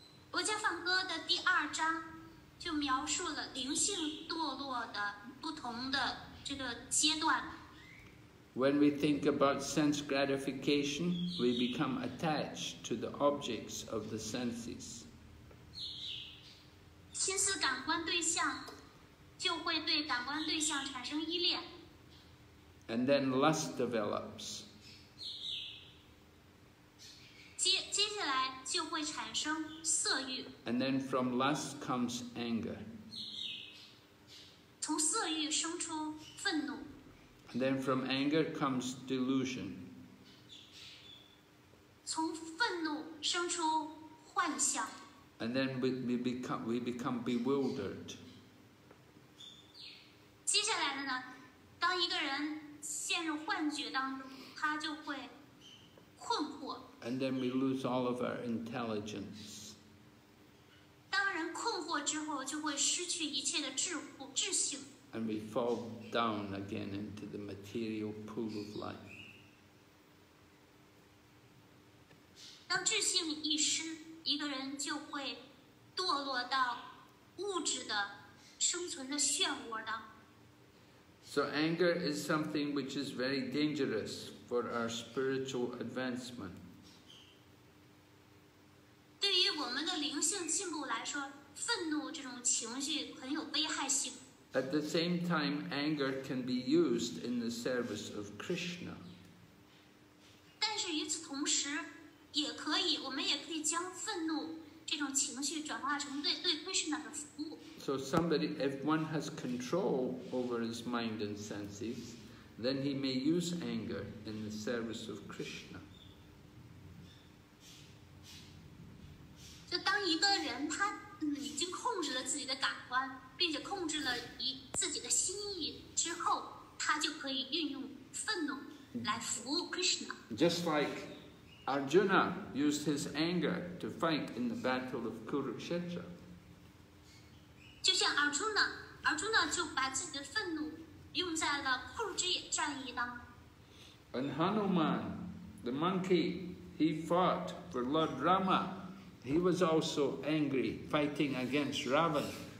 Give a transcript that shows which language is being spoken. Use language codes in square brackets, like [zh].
[zh] 薄伽梵歌的第二章就描述了灵性堕落的不同的这个阶段。 [en] When we think about sense gratification, we become attached to the objects of the senses. [zh] 心思感官对象就会对感官对象产生依恋。 [en] And then lust develops. [zh] 接下来就会产生色欲。 [en] And then from lust comes anger. [zh] 从色欲生出愤怒。 [en] Then from anger comes delusion. [zh] 从愤怒生出幻象。 [en] And then we become bewildered. [zh] 接下来的呢，当一个人陷入幻觉当中，他就会困惑。 [en] And then we lose all of our intelligence. [zh] 当人困惑之后，就会失去一切的智性。 [en] And we fall down again into the material pool of life. [zh] 当智性一失，一个人就会堕落到物质的生存的漩涡当。 [en] So anger is something which is very dangerous for our spiritual advancement. [zh] 对于我们的灵性进步来说，愤怒这种情绪很有危害性。 [en] At the same time, anger can be used in the service of Krishna. [zh] 但是与此同时，也可以，我们也可以将愤怒这种情绪转化成对 Krishna 的服务。 [en] So somebody, if one has control over his mind and senses, then he may use anger in the service of Krishna. [zh] 就当一个人他已经控制了自己的感官。并且控制了以自己的心意之后，他就可以运用愤怒来服务 Krishna. [en] Just like Arjuna used his anger to fight in the battle of Kurukshetra. [zh] 就像阿朱那就把自己的愤怒用在了库鲁之野战役当中。 [en] And Hanuman, the monkey, he fought for Lord Rama. He was also angry fighting against Ravana.